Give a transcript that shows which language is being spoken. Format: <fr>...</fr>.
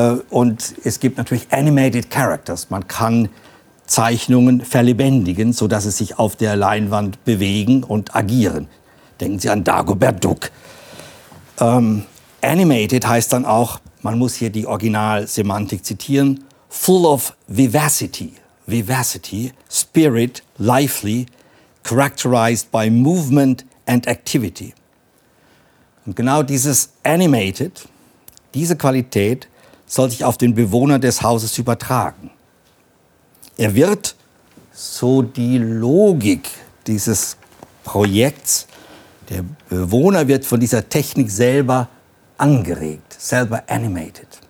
<de>Und es gibt natürlich Animated Characters. Man kann Zeichnungen verlebendigen, sodass sie sich auf der Leinwand bewegen und agieren. Denken Sie an Dagobert Duck. Animated heißt dann auch, man muss hier die Original-Semantik zitieren,</de> <en>full of vivacity. Vivacity, spirit, lively, characterized by movement and activity.</en> <de>Und genau dieses Animated, diese Qualität, soll sich auf den Bewohner des Hauses übertragen. Er wird, so die Logik dieses Projekts, der Bewohner wird von dieser Technik selber angeregt, selber animated.</de>